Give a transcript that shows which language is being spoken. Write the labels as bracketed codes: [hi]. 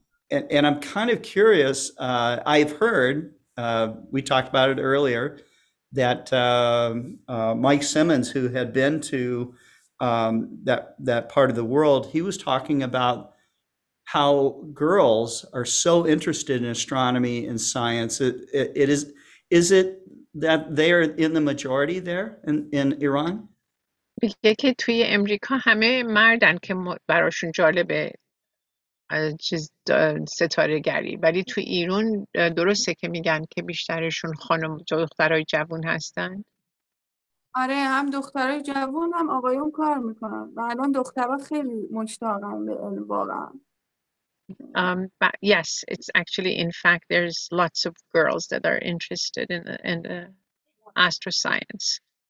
[en] And I'm kind of curious, I've heard, we talked about it earlier, that Mike Simmons, who had been to that part of the world, he was talking about how girls are so interested in astronomy and science. Is it that they are in the majority there in Iran? [fa] میگه که توی امریکا همه مردن که براشون جالبه چیز ستاره گری ولی توی ایران درسته که میگن که بیشترشون خانم دخترای جوان هستن. آره هم دخترای جوون هم آقایون کار میکنن و الان دخترها خیلی مشتاقن به علم واقعا. [en] But yes, it's actually in fact there's lots of girls that are interested in the astro science.